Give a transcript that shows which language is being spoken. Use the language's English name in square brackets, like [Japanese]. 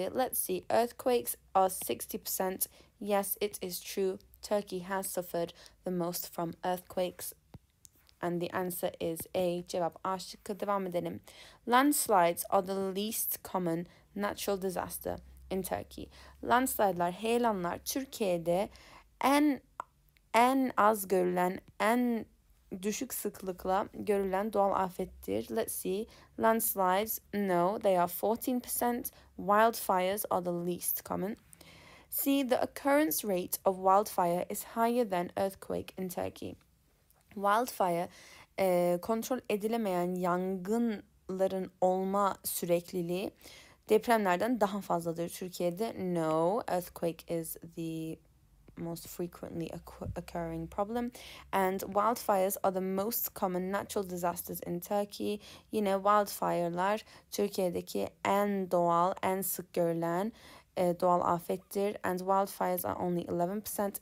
[English] Let's see, earthquakes are 60%. Yes, it is true. Turkey has suffered the most from earthquakes. And the answer is A. [Turkish] Cevap A şıkkı. Devam edelim. [English] Landslides are the least common natural disaster in Turkey. [Turkish] Landslide'lar, heyelanlar Türkiye'de en az görülen, en düşük sıklıkla görülen doğal afettir. [English] Let's see. Landslides, no, they are 14%. Wildfires are the least common. See, the occurrence rate of wildfire is higher than earthquake in Turkey. [Turkish] Wildfire, kontrol edilemeyen yangınların olma sürekliliği depremlerden daha fazladır Türkiye'de. [English] No, earthquake is the most frequently occurring problem, and wildfires are the most common natural disasters in Turkey. [Turkish] Yine wildfire'lar Türkiye'deki en doğal, en sık görülen doğal afettir, [English] and wildfires are only 11%.